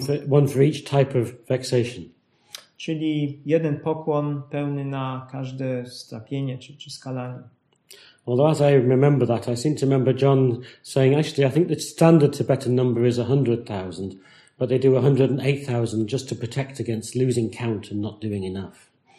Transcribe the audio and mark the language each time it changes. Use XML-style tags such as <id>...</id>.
<en>One for each type of vexation.</en> <pl>Czyli jeden pokłon pełny na każde strapienie czy skalanie.</pl> <en>Although as I remember that, I seem to remember John saying, actually, I think the standard Tibetan number is 100,000, but they do 108,000 just to protect against losing count and not doing enough.</en>